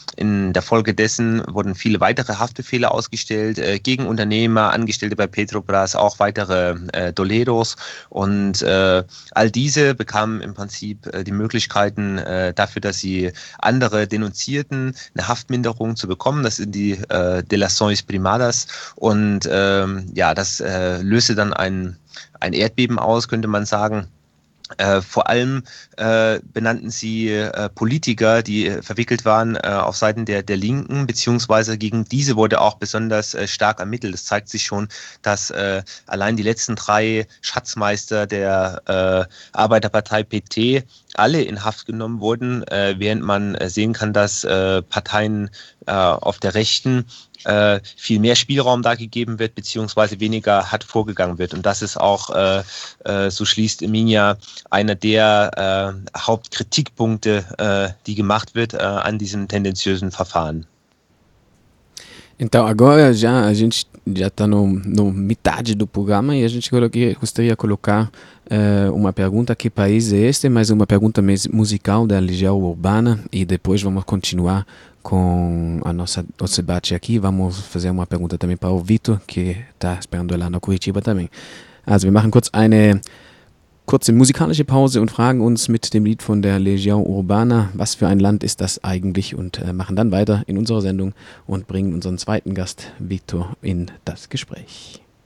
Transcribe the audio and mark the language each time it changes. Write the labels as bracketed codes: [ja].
[de] In der Folge dessen wurden viele weitere Haftbefehle ausgestellt gegen Unternehmer, Angestellte bei Petrobras, auch weitere Doleros. Und all diese bekamen im Prinzip die Möglichkeiten dafür, dass sie andere Denunzierten eine Haftminderung zu bekommen. Das sind die Delações Primadas. Und das löste dann ein Erdbeben aus, könnte man sagen. Vor allem benannten sie Politiker, die verwickelt waren auf Seiten der Linken, beziehungsweise gegen diese wurde auch besonders stark ermittelt. Es zeigt sich schon, dass allein die letzten drei Schatzmeister der Arbeiterpartei PT alle in Haft genommen wurden, während man sehen kann, dass Parteien auf der Rechten viel mehr Spielraum da gegeben wird, beziehungsweise weniger hart vorgegangen wird. Und das ist auch, so schließt Emilia, einer der Hauptkritikpunkte, die gemacht wird an diesem tendenziösen Verfahren. [pt] Então, agora já a gente já está no metade do programa e a gente gostaria de colocar uma pergunta: que país é este? Mais uma pergunta musical da Legião Urbana e depois vamos continuar com a nosso debate aqui. Vamos fazer uma pergunta também para o Vitor, que está esperando lá na Curitiba também. [de] Also, wir machen kurz eine kurze musikalische Pause und fragen uns mit dem Lied von der Legião Urbana, was für ein Land ist das eigentlich, und machen dann weiter in unserer Sendung und bringen unseren zweiten Gast Vitor in das Gespräch.